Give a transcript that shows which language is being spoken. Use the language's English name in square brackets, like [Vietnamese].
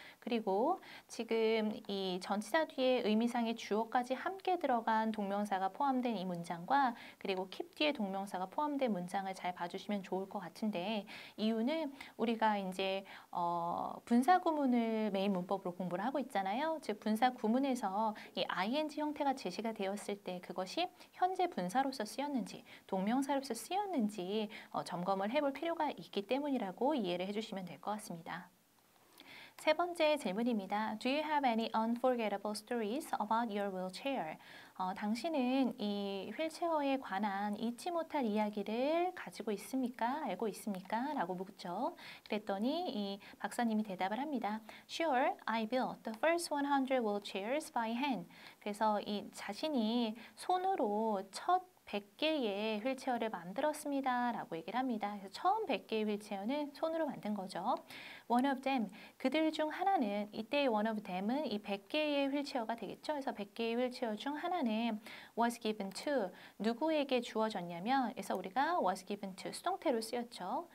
[Korean] 그리고 지금 이 전치사 뒤에 의미상의 주어까지 함께 들어간 동명사가 포함된 이 문장과 그리고 keep 뒤에 동명사가 포함된 문장을 잘 봐주시면 좋을 것 같은데, 이유는 우리가 이제 분사구문을 메인 문법으로 공부를 하고 있잖아요. 즉 분사구문에서 이 ing 형태가 제시가 되었을 때 그것이 현재 분사로서 쓰였는지 동명사 로서 쓰였는지 점검을 해볼 필요가 있기 때문이라고 이해를 해주시면 될것 같습니다. 세 번째 질문입니다. [English] Do you have any unforgettable stories about your wheelchair? [Korean] 당신은 이 휠체어에 관한 잊지 못할 이야기를 가지고 있습니까? 알고 있습니까? 라고 묻죠. 그랬더니 이 박사님이 대답을 합니다. [English] Sure, I built the first 100 wheelchairs by hand. [Korean] 그래서 이 자신이 손으로 첫 100개의 휠체어를 만들었습니다라고 얘기를 합니다. 그래서 처음 100개의 휠체어는 손으로 만든 거죠. [English] One of them, [Korean] 그들 중 하나는, 이때의 one of them은 이 100개의 휠체어가 되겠죠. 그래서 100개의 휠체어 중 하나는 [English] was given to, [Korean] 누구에게 주어졌냐면, 그래서 우리가 was given to, 수동태로 쓰였죠.